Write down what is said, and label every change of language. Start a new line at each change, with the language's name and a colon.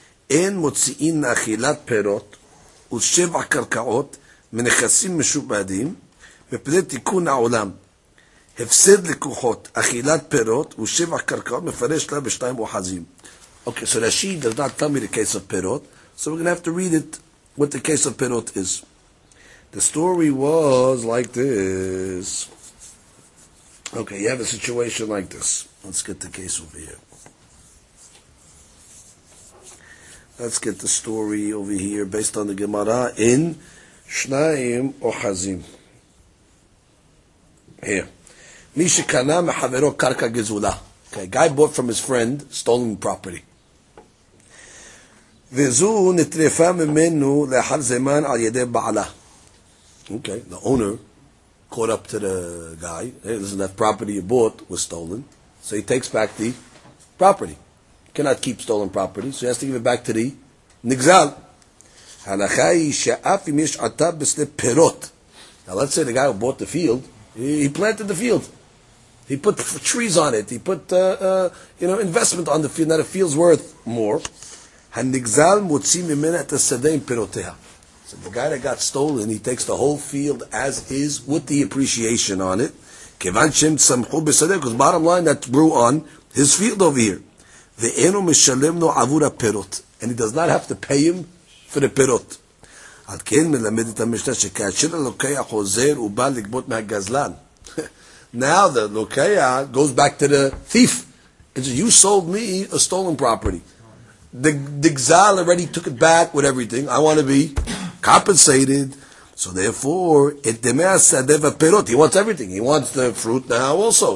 Hebrew: אין מוציאין אכילת פירות ושבע קרקעות מנכסים משובדים בפני תיקון העולם. הפסד לקוחות, אכילת פירות, ושבע קרקעות מפרש לה בשתיים אוחזים.
English: Okay, so Rashi does not tell me the case of פירות, so we're going to have to read it, what the case of פירות is. The story was like this. Okay, you have a situation like this. Let's get the case over here. Let's get the story over here, based on the Gemara, in שניים אוחזים. Here.
Hebrew: מי שקנה מחברו קרקע גזולה.
English: Okay, guy bought from his friend stolen property.
Hebrew: וזו נטרפה ממנו לאחר זמן על ידי בעלה.
English: Okay, the owner caught up to the guy. Hey, listen, that property you bought was stolen. So he takes back the property. He cannot keep stolen property, so he has to give it back to the נגזל.
Hebrew: הלכה היא שאף אם יש עתה בשדה פירות.
English: Now let's say the guy who bought the field, he planted the field. He put trees on it. He put, investment on the field. Now the field's worth more.
Hebrew: הנגזל מוציא ממנה את השדה עם פירותיה.
English: So the guy that got stolen, he takes the whole field as is with the appreciation on it.
Hebrew: כיוון שהם צמחו בשדה,
English: because bottom line, that grew on his field over here.
Hebrew: ואינו משלם לו עבור הפירות.
English: And he does not have to pay him for the פירות.
Hebrew: עד כן מלמד את המשנה שכאשר הלוקח חוזר ובא לגבות מהגזלן.
English: Now the lokeya goes back to the thief. It says, you sold me a stolen property. The gzal already took it back with everything. I want to be compensated. So therefore, et demeh sadeh v'perot. He wants everything. He wants the fruit now also.